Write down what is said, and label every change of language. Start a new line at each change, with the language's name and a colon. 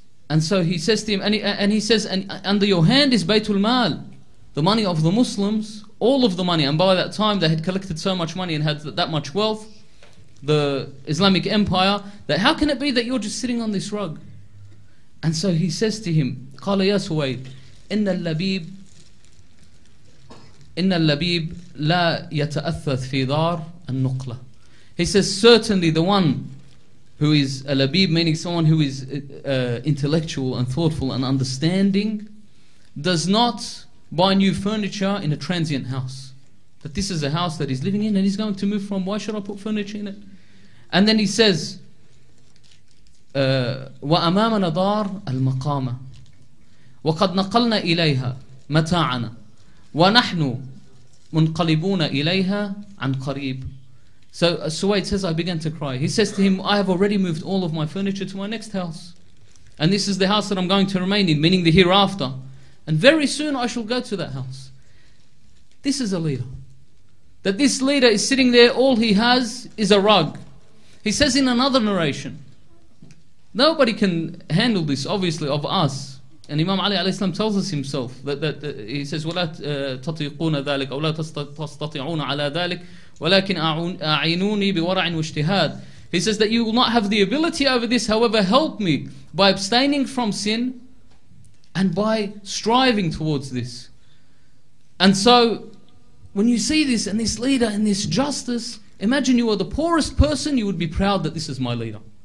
English: And so he says to him, and under your hand is Baytul Mal, the money of the Muslims, all of the money. And by that time they had collected so much money and had that much wealth, the Islamic Empire, that how can it be that you're just sitting on this rug? And so he says to him,
Arabic: قَالَ يَا سُوَيْدْ إِنَّ اللَّبِيبْ لَا يَتَأَثَّثْ فِي دَارَ النُّقْلَ.
English: He says, certainly the one who is a labib, meaning someone who is intellectual and thoughtful and understanding, does not buy new furniture in a transient house. That this is a house that he's living in and he's going to move from. Why should I put furniture in it? And then he says,
Arabic: وَأَمَامَنَا دَارَ الْمَقَامَ وَقَدْ نَقَلْنَا إِلَيْهَا مَتَاعَنَا وَنَحْنُ مُنْقَلِبُونَ إِلَيْهَا عَنْ قَرِيبٍ.
English: So Suwayd says, I began to cry. He says to him, I have already moved all of my furniture to my next house, and this is the house that I'm going to remain in, meaning the hereafter, and very soon I shall go to that house. This is a leader. That this leader is sitting there, all he has is a rug. He says in another narration, nobody can handle this, obviously, of us. And Imam Ali alayhi salam tells us himself that he says,
Arabic: وَلَا تَطِيقُونَ ذَلِكَ أَوْ لَا تَسْتَطِعُونَ عَلَىٰ ذَلِكَ وَلَكِنْ أَعِينُونِي بِوَرَعٍ وَاجْتِهَادٍ.
English: He says that you will not have the ability over this, however, help me by abstaining from sin and by striving towards this. And so, when you see this and this leader and this justice, imagine you are the poorest person, you would be proud that this is my leader.